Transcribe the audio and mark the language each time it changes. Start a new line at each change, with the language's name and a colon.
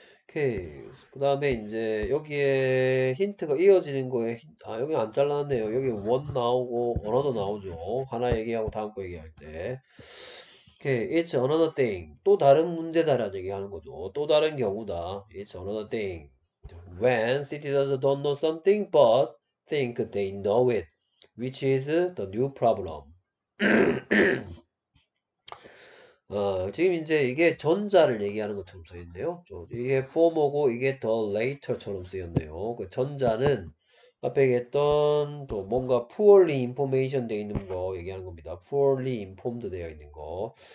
Korean: 오케이. 그다음에 이제 여기에 힌트가 이어지는 거에, 아, 여기 안 잘랐네요. 여기 원 나오고 언어도 나오죠. 하나 얘기하고 다음 거 얘기할 때.
English: 오케이. It's another thing.
Korean: 또 다른 문제다라는 얘기하는 거죠. 또 다른 경우다.
English: It's another thing. When citizens don't know something but think they know it, which is the new problem.
Korean: 지금 이제 이게 전자를 얘기하는 것처럼 써있네요. 이게 former고 이게 더 later처럼 쓰였네요. 그 전자는 앞에 얘기했던 또 뭔가
English: poorly information
Korean: 되어 있는 거 얘기하는 겁니다.
English: poorly informed
Korean: 되어 있는 거.